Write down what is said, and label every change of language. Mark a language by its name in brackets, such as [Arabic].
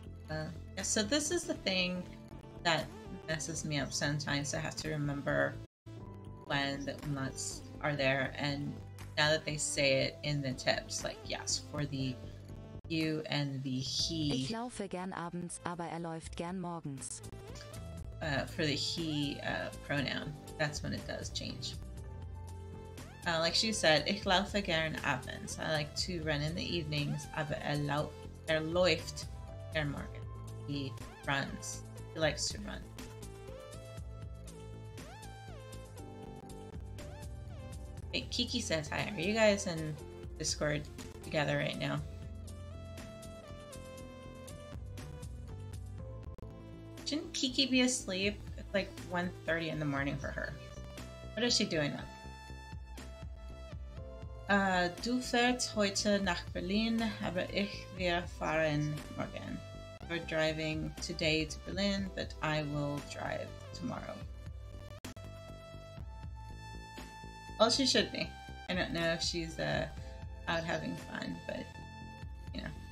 [English] Yeah, so this is the thing that messes me up sometimes. I have to remember when the umlauts are there, and now that they say it in the tips, like yes, for the you and the he. [German] Ich laufe gern abends, aber läuft gern morgens. [English] For the he pronoun, that's when it does change. Like she said, [German] ich laufe gern abends. [English] I like to run in the evenings, [German] aber läuft gern morgens. [English] He runs. He likes to run. Wait, Kiki says hi. Are you guys in Discord together right now? Shouldn't Kiki be asleep? It's like 1:30 in the morning for her. What is she doing up? [German] Du fährst heute nach Berlin, aber wir fahren morgen. [English] We're driving today to Berlin, but I will drive tomorrow. Well, she should be. I don't know if she's out having fun, but you know.